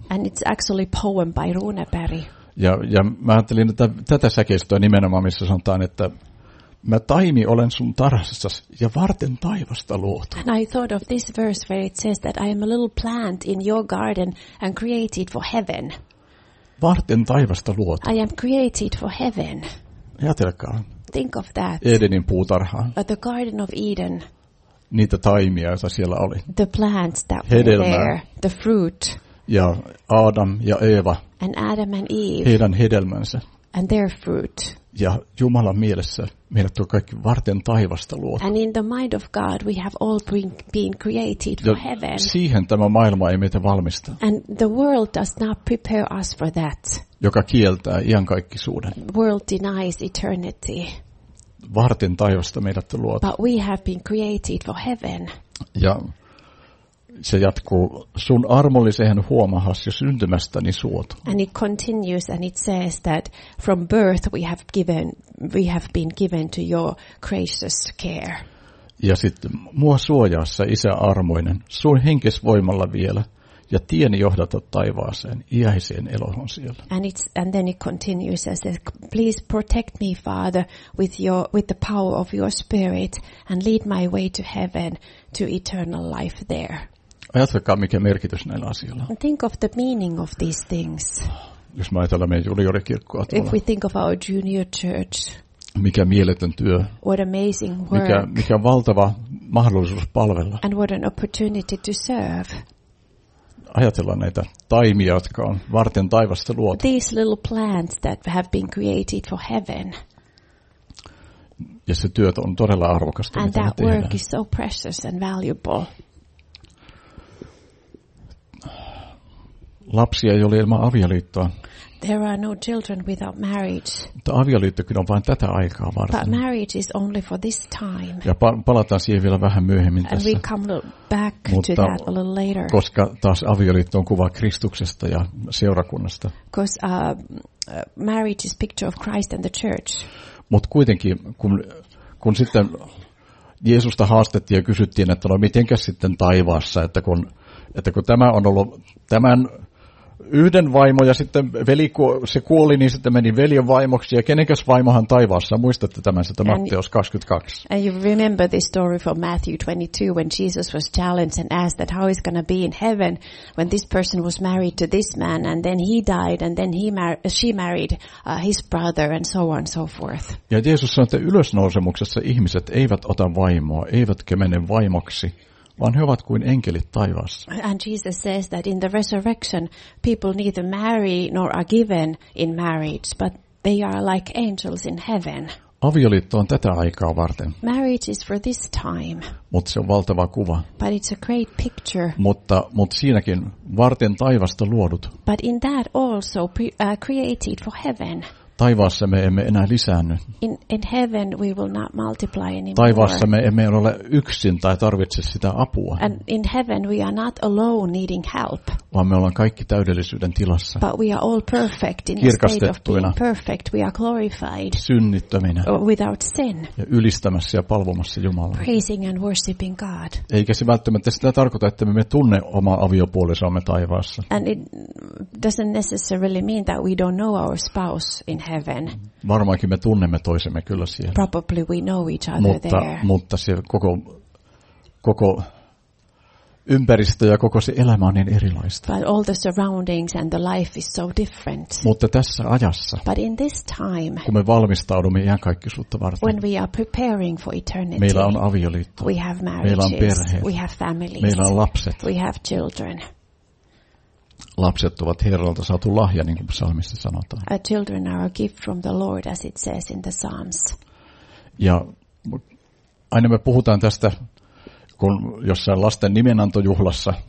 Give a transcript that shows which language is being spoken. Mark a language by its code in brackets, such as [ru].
[en] And it's actually a poem by Runeberg. [fi] Ja mä ajattelin, että tätä säkeistöä nimenomaan, missä sanotaan, että mä taimi olen sun tarhassas ja varten taivasta luotu. [en] And I thought of this verse where it says that I am a little plant in your garden and created for heaven. [fi] Varten taivasta luotu. [en] I am created for heaven. [fi] Ajatelkaa. [en] Think of that. [fi] Edenin puutarhaan. [en] At the Garden of Eden. [fi] Niitä taimia, joita siellä oli. [en] The plants that [fi] hedelmää. [en] Were there. The fruit. [fi] Ja Adam ja Eeva. [en] And Adam and Eve. [fi] Heidän hedelmänsä. [en] And their fruit. [fi] Ja Jumalan mielessä meidät on kaikki varten taivasta luotu. [en] And in the mind of God we have all been created for heaven. [fi] Siihen tämä maailma ei meitä valmista. [en] And the world does not prepare us for that. [fi] Joka kieltää iankaikkisuuden. [en] World denies eternity. [fi] Varten taivasta meidät on luotu. [en] But we have been created for heaven. [fi] Ja se jatkuu, sun armollisen huomahas jo syntymästäni suot. [en] And it continues and it says that from birth we have been given to your gracious care. [fi] Ja sitten, mua suojaassa, isä armoinen, sun henkes voimalla vielä, ja tieni johdata taivaaseen, iäiseen eloon siellä. [en] And then it continues and says, please protect me, Father, with the power of your spirit, and lead my way to heaven, to eternal life there. [fi] Ajatelkaa, mikä merkitys näillä asioilla. [en] Think of the meaning of these things. [fi] Jos ajatellaan meidän juniorikirkkoa tuolla. [en] If we think of our junior church. [fi] Mikä mieletön työ. [en] What amazing work. [fi] Mikä valtava mahdollisuus palvella. [en] And what an opportunity to serve. [fi] Ajatellaan näitä taimia, jotka on varten taivasta luotu. [en] These little plants that have been created for heaven. [fi] Ja se työ on todella arvokasta. [en] And that work is so precious and valuable. [fi] Lapsia ei ole ilman avioliittoa. [en] There are no children without marriage. [fi] Mutta avioliittokin on vain tätä aikaa varten. [en] But marriage is only for this time. [fi] Ja palataan siihen vielä vähän myöhemmin tässä. [en] And we come back to that a little later. [fi] Koska taas avioliitto on kuva Kristuksesta ja seurakunnasta. [en] Because marriage is picture of Christ and the church. [fi] Mut kuitenkin kun sitten Jeesusta haastettiin ja kysyttiin, että no mitenkäs sitten taivaassa, että kun tämä on ollut tämän yhden vaimo ja sitten veli, se kuoli, niin sitten meni veljen vaimoksi. Ja kenenkäs vaimohan taivaassa? Muistatte tämän sitä Matteus 22. [en] And you remember this story from Matthew 22 when Jesus was challenged and asked that how he's going to be in heaven when this person was married to this man and then he died and then she married his brother and so on and so forth. [fi] Ja Jeesus sanoi, että ylösnousemuksessa ihmiset eivät ota vaimoa, eivätkä mene vaimoksi. Vaan he ovat kuin enkelit taivaassa. [en] And Jesus says that in the resurrection, people neither marry nor are given in marriage, but they are like angels in heaven. [fi] Avioliitto on tätä aikaa varten. [en] Marriage is for this time. [fi] Mutta se on valtava kuva. [en] But it's a great picture. [fi] Mutta siinäkin varten taivasta luodut. [en] But in that also created for heaven. [fi] Taivaassa me emme enää lisäänny. [en] In heaven we will not multiply anymore. [fi] Taivaassa me emme ole yksin tai tarvitse sitä apua. [en] And in heaven we are not alone needing help. [fi] Vaan me ollaan kaikki täydellisyyden tilassa. [en] But we are all perfect in the state of being perfect. We are glorified. [fi] Synnittöminä. [en] Without sin. [fi] Ja ylistämässä ja palvomassa Jumalaa. [en] Praising and worshiping God. [fi] Eikä se välttämättä sitä tarkoita, että me tunne oma aviopuolisomme taivaassa. [en] And it doesn't necessarily mean that we don't know our spouse in heaven. [fi] Varmaankin me tunnemme toisemme kyllä siellä. [en] Probably we know each other there. [fi] Mutta se koko ympäristö ja koko se elämä on niin erilaista. [en] But all the surroundings and the life is so different. [fi] Mutta tässä ajassa. [en] But in this time. [fi] Kun me valmistaudumme iankaikkisuutta varten. [en] When we are preparing for eternity. [fi] Meillä on avioliitto. [en] We have marriages. [fi] Meillä on perheet. [en] We have families. [fi] Meillä on lapset. [en] We have children. [fi] Lapset ovat Herralta saatu lahja, niin kuin psalmissa sanotaan. [en] Our children are a gift from the Lord, as it says in the Psalms. [fi] Ja aina me puhutaan tästä, kun jossain lasten nimenantojuhlassa.